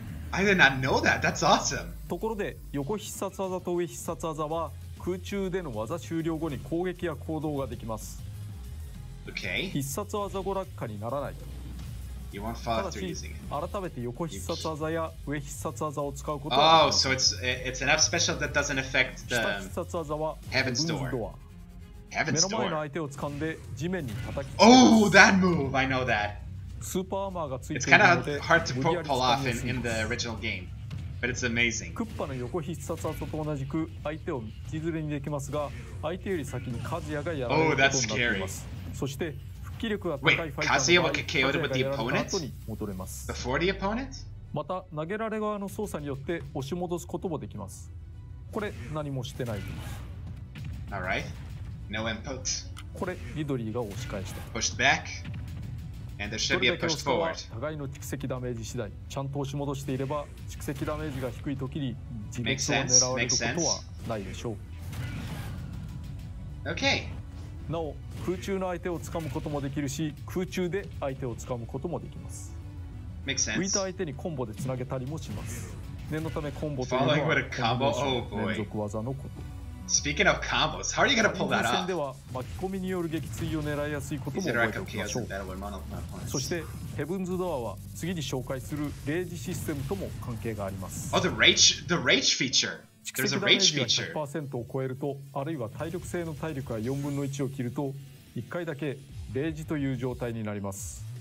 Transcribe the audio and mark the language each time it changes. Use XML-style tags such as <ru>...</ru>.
<en>I did not know that. That's awesome.</en> <ja>ところで横必殺技と上必殺技は空中での技終了後に攻撃や行動ができます。</ja> <en>Okay.</en> <ja>必殺技後落下にならない。</ja> <en>You won't fall after using it.</en> <ja>改めて横必殺技や上必殺技を使うことはない。</ja> <en>Oh, so it's an up special that doesn't affect the Heaven's Door.</en> <ja>目の前の相手を掴んで地面に叩き</ja> <en>Oh, that move! I know that.</en> <ja>スーパーアーマーがついているので</ja> <en>It's kind of hard to pull off in the original game. But it's amazing.</en> <ja>クッパの横必殺技と同じく相手を道連れにできますが相手より先にカズヤがやられることになっています。そして復帰力が高いファイターの場合カズヤがやられた後に戻れます。</ja> <en>Before the opponent?</en> <ja>また投げられ側の操作によって押し戻すこともできます。これ何もしてないです。</ja> <en>All right. No input.</en> <ja>これリドリーが押し返した。</ja> <en>Pushed back. And there should be a push forward.</en> <ja>互いの蓄積ダメージ次第、ちゃんと押し戻していれば、蓄積ダメージが低い時に自滅を狙われることはないでしょう。</ja> <en>Okay.</en> <ja>なお、空中の相手を掴むこともできるし、空中で相手を掴むこともできます。</ja> <en>Makes sense.</en> <ja>浮いた相手にコンボでつなげたりもします。念のためコンボというのは、コンボの連続技のこと。</ja> <en>Speaking of combos, how are you gonna pull that off?</en> <ja>戦では巻き込みによる撃墜を狙いやすいことも覚えておきましょう。そしてヘブンズドアは次に紹介するレイジシステムとも関係があります。</ja> <en>Oh, the rage feature. There's a rage feature.</en> <ja>蓄積ダメージが 100% を超えると、あるいは体力性の体力が4分の1を切ると、1回だけレイジという状態になります。</ja>